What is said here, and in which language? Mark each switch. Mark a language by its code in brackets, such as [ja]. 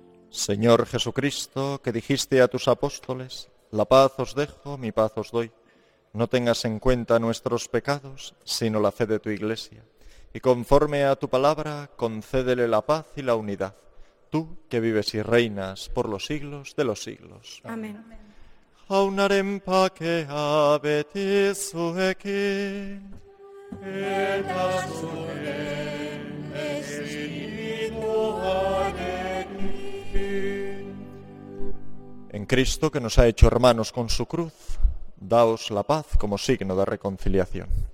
[es] Señor Jesucristo, que dijiste a tus apóstoles, la paz os dejo, mi paz os doy. No tengas en cuenta nuestros pecados, sino la fe de tu Iglesia. Y conforme a tu palabra, concédele la paz y la unidad. Tú, que vives y reinas por los siglos de los siglos. Amén. [eu] Jaunaren pakea beti zuekin. Eta zuen espirituarekin. [es] En Cristo, que nos ha hecho hermanos con su cruz, daos la paz como signo de reconciliación.